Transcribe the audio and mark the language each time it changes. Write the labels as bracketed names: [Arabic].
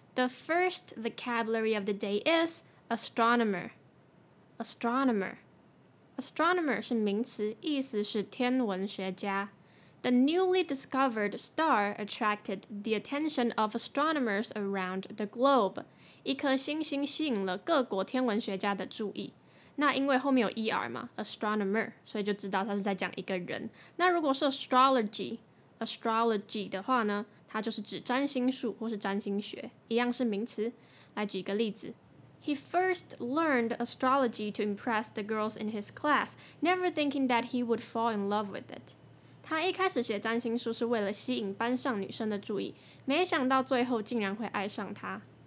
[English] The first vocabulary of the day is astronomer. Astronomer. [Chinese] Astronomer 是名词，意思是天文学家。 [English] The newly discovered star attracted the attention of astronomers around the globe. [Chinese] 一颗星星吸引了各国天文学家的注意。那因为后面有 ER 嘛 ,astronomer, 所以就知道他是在讲一个人。那如果是 astrology 的话呢，它就是指占星术或是占星学，一样是名词。来举一个例子。 [English] He first learned astrology to impress the girls in his class, never thinking that he would fall in love with it. [Chinese] 他一开始学占星术是为了吸引班上女生的注意，没想到最后竟然会爱上他。